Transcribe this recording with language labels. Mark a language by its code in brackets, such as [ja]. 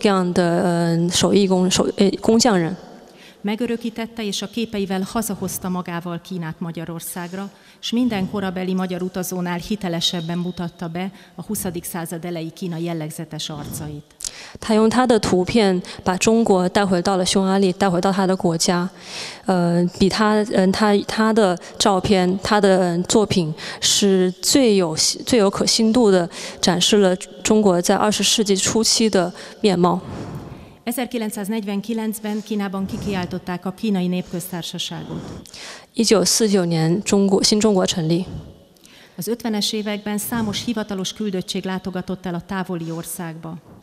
[zh] 所以在他的照片上，我们会看到那些在拥挤的路上行走的人，那些在港口的洗衣女，以及那些搬货的工人和各种各样的手艺工匠人。 [hu] Megörökítette és a képeivel hazahozta magával Kínát Magyarországra, s minden korabeli magyar utazónál hitelesebben mutatta be a 20. század elejé Kína jellegzetes arcait. [zh] 他用他的图片把中国带回到了匈牙利，带回到他的国家。比他的照片，他的作品是最有可信度的展示了中国在20世纪初期的面貌。 [hu] 1949-ben Kínában kikiáltották a kínai népköztársaságot. [zh] 1949年中国新中国成立. [hu] Az 50-es években számos hivatalos küldöttség látogatott el a távoli országba.